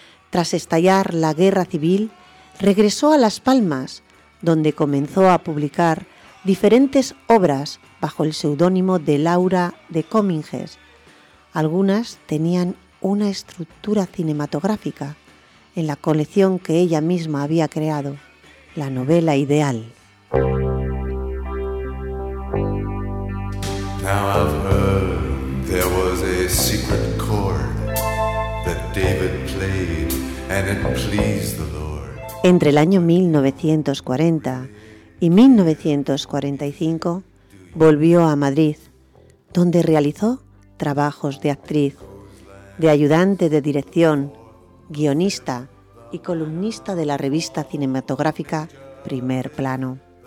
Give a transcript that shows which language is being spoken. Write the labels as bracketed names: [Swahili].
[Spanish] Tras estallar la Guerra Civil, regresó a Las Palmas, donde comenzó a publicar diferentes obras bajo el seudónimo de Laura de Cominges. Algunas tenían una estructura cinematográfica en la colección que ella misma había creado, La Novela Ideal. [English] Now I've heard there was a secret chord that David played and it pleased the Lord. [Spanish] Entre el año 1940 y 1945 volvió a Madrid, donde realizó trabajos de actriz, de ayudante de dirección, guionista y columnista de la revista cinematográfica Primer Plano.